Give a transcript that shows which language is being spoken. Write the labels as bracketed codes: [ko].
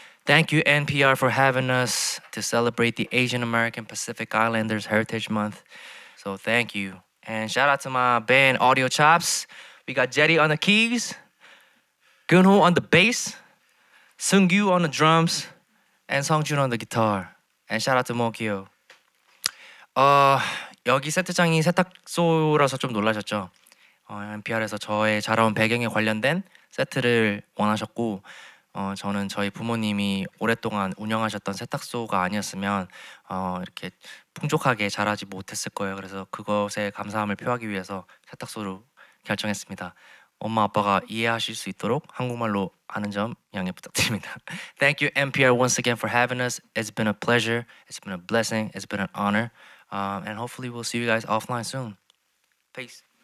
[en] Thank you, NPR, for having us to celebrate the Asian American Pacific Islanders Heritage Month. So thank you. And shout out to my band, Audio Chops. We got Jetty on the keys, Gunho on the bass, Sungyu on the drums, and Songjun on the guitar. And shout out to Mokyo. [ko] 여기 세트장이 세탁소라서 좀 놀라셨죠? NPR에서 저의 자라온 배경에 관련된 세트를 원하셨고 저는 저희 부모님이 오랫동안 운영하셨던 세탁소가 아니었으면 이렇게 풍족하게 자라지 못했을 거예요. 그래서 그것에 감사함을 표하기 위해서 세탁소로 결정했습니다. 엄마 아빠가 이해하실 수 있도록 한국말로 하는 점 양해 부탁드립니다. [en] Thank you NPR once again for having us. It's been a pleasure. It's been a blessing. It's been an honor. And hopefully we'll see you guys offline soon. Peace.